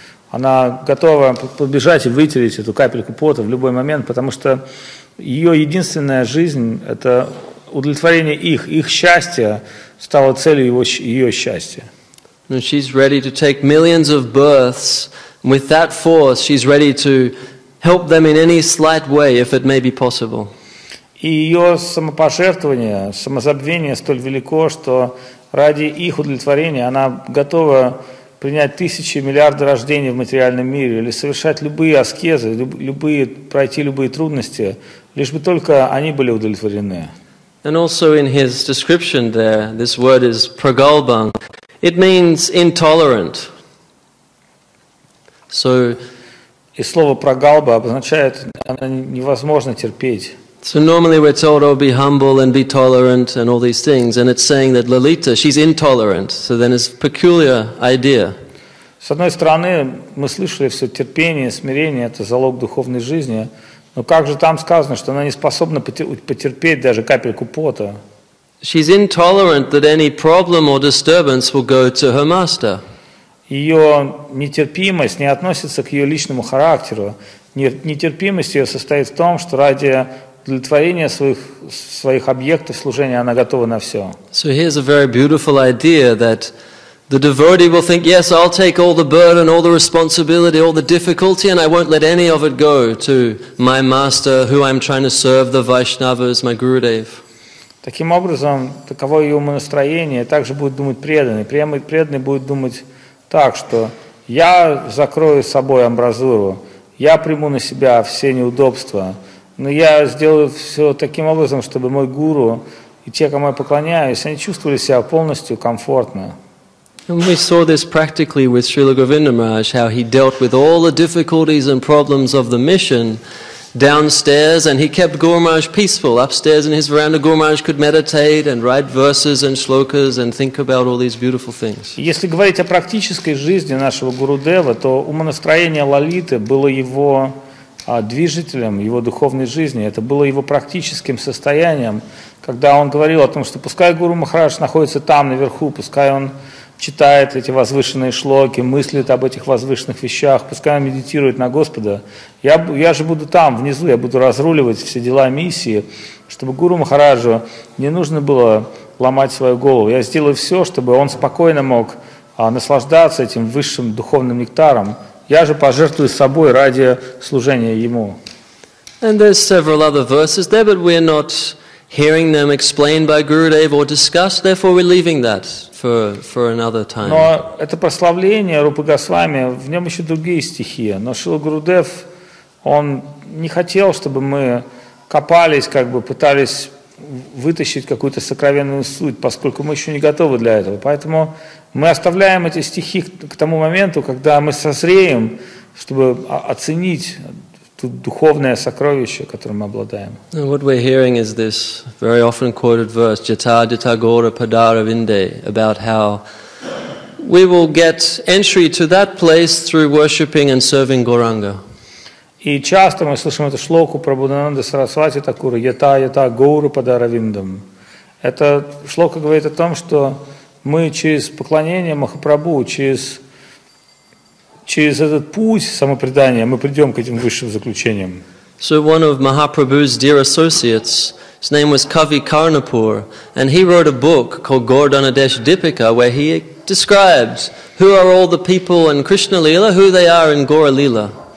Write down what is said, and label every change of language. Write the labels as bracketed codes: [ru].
[ru] Она готова побежать и вытереть эту капельку пота в любой момент, потому что ее единственная жизнь – это удовлетворение их. Их счастье стало целью ее счастья. Но [en] she's ready to take millions of births. With that force, she's ready to help them in any slight way, if it may be possible. [ru] И ее самопожертвование, самозабвение столь велико, что ради их удовлетворения она готова принять тысячи, миллиарды рождений в материальном мире или совершать любые аскезы, любые пройти любые трудности, лишь бы только они были удовлетворены. [en] And also in his description there, this word is pragalbang. It means intolerant. So, [ru] и слово прагалба обозначает, она невозможно терпеть. [en] So normally we're told, oh, be humble and be tolerant and all these things, and it's saying that Lalita, she's intolerant. So then it's a peculiar idea. [ru] С одной стороны, мы слышали все терпение, смирение, это залог духовной жизни, но как же там сказано, что она не способна потерпеть даже капельку пота? [en] She's intolerant that any problem or disturbance will go to her master. [ru] ее нетерпимость не относится к ее личному характеру. Нетерпимость ее состоит в том, что ради удовлетворения своих объектов служения она готова на все. [en] So here's a very beautiful idea that the devotee will think, yes, I'll take all the burden, all the responsibility, all the difficulty, and I won't let any of it go to my master, who I'm trying to serve, the Vaishnavas, my Gurudev. [ru] Таким образом, таково ее умонастроение, также будет думать преданный. Преданный будет думать так, что я закрою собой амбразуру, я приму на себя все неудобства, но я сделаю все таким образом, чтобы мой гуру и те, кому я поклоняюсь, они чувствовали себя полностью комфортно. [en] And we saw this practically with Srila Govinda Maharaj, how he dealt with all the difficulties and problems of the mission downstairs, and he kept Guru Maharaj peaceful. Upstairs in his veranda, Guru Maharaj could meditate and write verses and shlokas and think about all these beautiful things. [ru] Если говорить о практической жизни нашего Гурудева, то умонастроение Лолиты было его движителем, его духовной жизни. Это было его практическим состоянием, когда он говорил о том, что пускай Гуру Махарадж находится там, наверху, пускай он читает эти возвышенные шлоки, мыслит об этих возвышенных вещах, пускай он медитирует на Господа. Я же буду там, внизу, я буду разруливать все дела миссии, чтобы Гуру Махараджу не нужно было ломать свою голову. Я сделаю все, чтобы он спокойно мог наслаждаться этим высшим духовным нектаром. Я же пожертвую собой ради служения ему. [en] And there's several other verses there, but we're not hearing them explained by Gurudev or discussed, therefore we're leaving that for another time. [ru] Но это прославление Рупы Госвами, в нем еще другие стихи. Но Шрила Гурудев, он не хотел, чтобы мы копались, как бы пытались вытащить какую-то сокровенную суть, поскольку мы еще не готовы для этого. Поэтому мы оставляем эти стихи к тому моменту, когда мы созреем, чтобы оценить духовное сокровище, которым мы обладаем. [en] And what we're hearing is this very often quoted verse, Jata Jata Gora Padara Vinde, about how we will get entry to that place through worshipping and serving Goranga. [ru] И часто мы слышим эту шлоку Прабхунанда Сарасвати Такура, Jata Jata Gora Padara Vindam. Эта шлока говорит о том, что мы через поклонение Махапрабху, через этот путь самопредания мы придем к этим высшим заключениям. [en] So one of Mahaprabhu's dear associates, his name was Kavi Karnapur, and he wrote a book called Gaurdhanadesh Dipika, where he describes who are all the people in Krishna Lila, who they are in Gaura Lila.